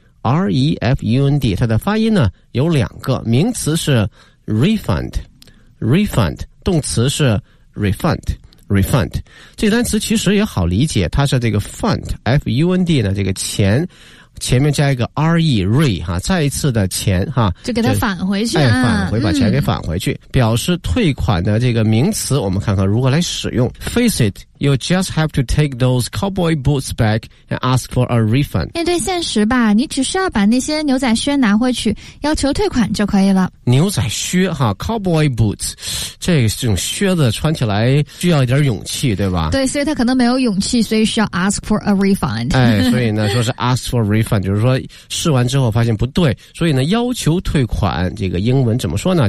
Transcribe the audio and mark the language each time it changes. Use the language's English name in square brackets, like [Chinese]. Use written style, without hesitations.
[Chinese] R-E-F-U-N-D， 它的发音呢有两个，名词是 refund， refund， 动词是 refund， refund。这单词其实也好理解，它是这个 fund， F-U-N-D 呢，这个钱前面加一个 R-E， re， 哈，再一次的钱，哈，就给它返回去、啊、哎，返回，把钱给返回去、表示退款的这个名词，我们看看如何来使用。 [English] Face it, you just have to take those cowboy boots back and ask for a refund。 [Chinese] 面对现实吧，你只需要把那些牛仔靴拿回去要求退款就可以了。牛仔靴哈， cowboy boots， 这种靴子穿起来需要一点勇气，对吧？对，所以他可能没有勇气，所以需要 ask for a refund。哎，所以呢说是 ask for refund，就是说试完之后发现不对，所以呢要求退款，这个英文怎么说呢？